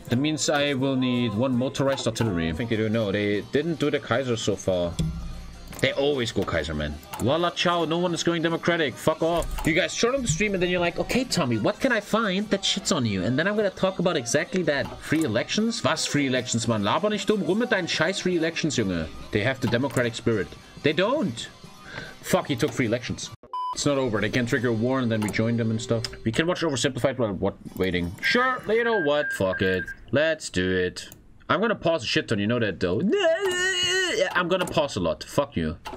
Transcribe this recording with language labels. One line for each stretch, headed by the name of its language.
English: That means I will need one motorized artillery. I think you do. No, they didn't do the Kaiser so far. They always go Kaiserman. Voila, ciao, no one is going democratic. Fuck off. You guys short on the stream and then you're like, okay, Tommy, what can I find that shits on you? And then I'm gonna talk about exactly that. Free elections? Was free elections, man?
German: Laber nicht dumm. Rum mit deinen scheiß free elections, Junge.
English: They have the democratic spirit. They don't. Fuck, he took free elections. It's not over. They can trigger a war and then we join them and stuff. We can watch Oversimplified while waiting. Sure, you know what? Fuck it. Let's do it. I'm gonna pause a shit ton, you know that though. I'm gonna pause a lot. Fuck you.